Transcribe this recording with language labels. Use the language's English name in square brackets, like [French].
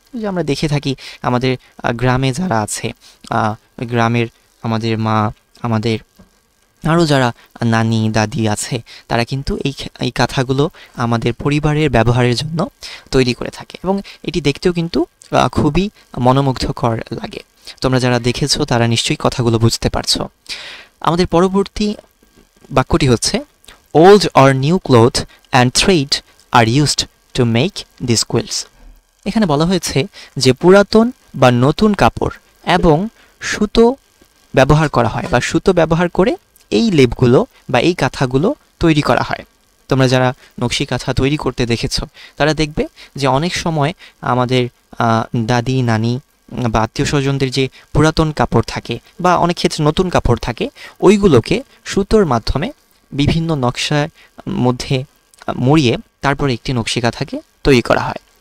[Bangla] যে আমরা দেখে থাকি আমাদের গ্রামে যারা আছে, গ্রামের আমাদের মা, আমাদের আরও যারা নানি দাদি আছে, তারা কিন্তু এই এই কাঁথাগুলো আমাদের পরিবারের ব্যবহারের জন্য তৈরি করে থাকে এবং এটি দেখতেও কিন্তু খুবই মনোমুগ্ধকর লাগে। তোমরা যারা দেখেছো তারা নিশ্চয়ই কথাগুলো বুঝতে পারছো। আমাদের পরবর্তী বাক্যটি হচ্ছে [English] old or new cloth and thread are used to make these quilts. [Bangla] এখানে বলা হয়েছে যে পুরাতন বা নতুন কাপড় এবং সুতো ব্যবহার করা হয় বা সুতো ব্যবহার করে এই লেপগুলো বা এই কাঁথাগুলো তৈরি করা হয়। তোমরা যারা নকশি কাঁথা তৈরি করতে দেখেছো তারা দেখবে যে অনেক সময় আমাদের দাদি নানি বা আত্মীয় স্বজনদের যে পুরাতন কাপড় থাকে বা অনেক ক্ষেত্রে নতুন কাপড় থাকে ওইগুলোকে সুতোর মাধ্যমে বিভিন্ন নকশার মধ্যে মুড়িয়ে তারপরে একটি নকশি কাঁথাকে তৈরি করা হয়।